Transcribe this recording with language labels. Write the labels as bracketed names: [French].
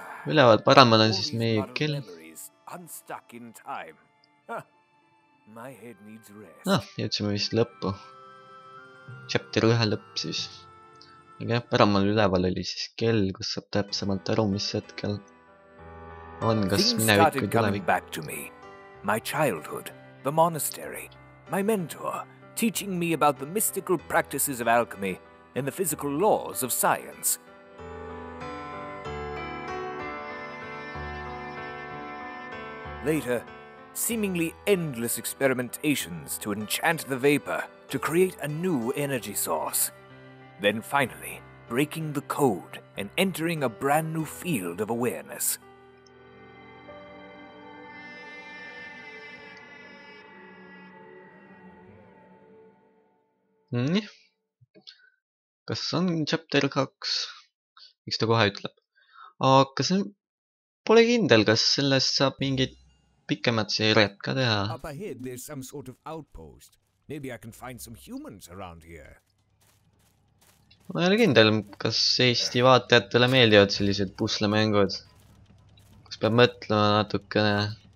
[Estonian] Ülevalt paremal on siis meie kelle. Noh, jõudsime vist lõppu. Chapter 1 lõpp siis. Aga jah, paremal üleval oli siis kell, kus saab täpsemalt aru, mis hetkel on, kas minevik või tulevik. [English] My childhood, the monastery, my mentor, teaching me about the mystical practices of alchemy and the physical laws of science. Later, seemingly endless experimentations to enchant the vapor to create a new energy source. Then finally, breaking the code and entering a brand new field of awareness. [Estonian] Nii. Kas on chapter 2? Miks ta kohe ütleb? Aga see pole kindel, kas sellest saab mingit pikemat seeriat ka teha. [English] Up ahead there's some sort of outpost. Maybe I can find some humans around here. [Estonian] Ma ei ole kindel, kas Eesti vaatajatele meeldivad sellised puslemängud. Kus peab mõtlema natukene.